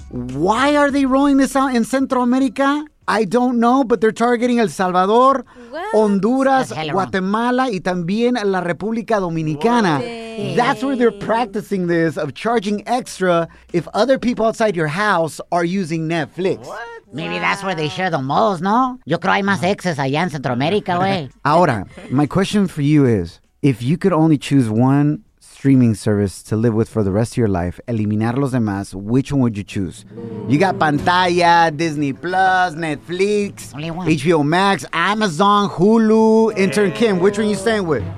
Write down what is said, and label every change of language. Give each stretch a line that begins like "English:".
English: Why are they rolling this out in Central America? I don't know, but they're targeting El Salvador, what?
Spanish: Honduras, Guatemala, y también la República Dominicana.
English: That's where they're practicing this, of charging extra if other people outside your house are using Netflix. What? Maybe that's where they share the most, no?
Spanish: Yo creo hay más exes allá en Centroamérica, güey.
English: Ahora, my question for you is, if you could only choose one streaming service to live with for the rest of your life,
Spanish: eliminar los demás,
English: which one would you choose? You got Pantaya, Disney Plus, Netflix, HBO Max, Amazon, Hulu, Intern Kim, which one are you staying with?